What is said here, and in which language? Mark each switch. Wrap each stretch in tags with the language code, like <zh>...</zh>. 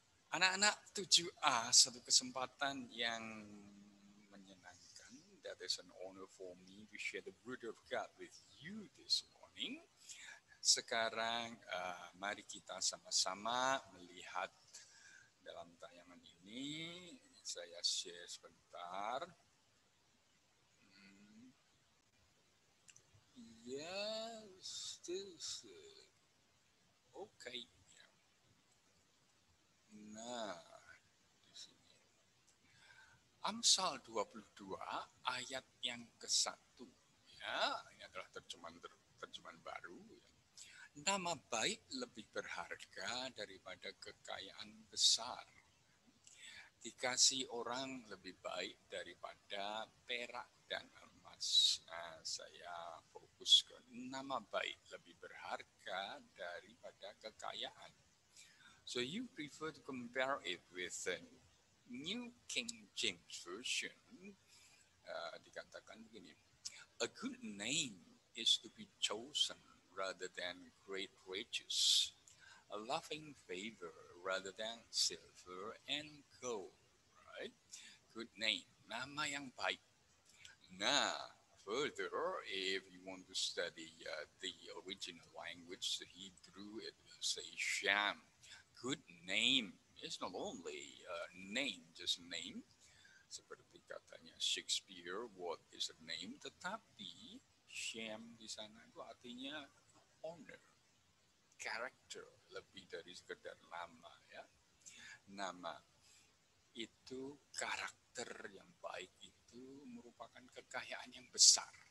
<id>Anak-anak 7A, satu kesempatan yang menyenangkan.</id> <en>That is an honor for me to share the word of God with you this morning.</en> <id>Sekarang mari kita sama-sama melihat dalam tayangan ini. Saya share sebentar.</id> <en>Yes, this is okay.</en> <id>Nah, di sini. Amsal 22 ayat yang ke-1 ya, ini adalah terjemahan baru ya. Nama baik lebih berharga daripada kekayaan besar. Dikasih orang lebih baik daripada perak dan emas. Nah, saya fokus ke nama baik lebih berharga daripada kekayaan.</id> <en>So you prefer to compare it with the New King James Version.</en> <id>Dikatakan begini,</id> <en>a good name is to be chosen rather than great riches, a loving favor rather than silver and gold, right? Good name,</en> <id>nama yang baik.</id> <en>Nah, further, if you want to study the original language, the Hebrew, it will say sham. Good name is not only a name, just name.</en> <id>Seperti katanya</id> <en>Shakespeare, what is a name?</en> <id>Tetapi sham di sana itu artinya</id> <en>honor, character,</en> <id>lebih dari sekedar nama ya. Nama itu karakter yang baik itu merupakan kekayaan yang besar.</id>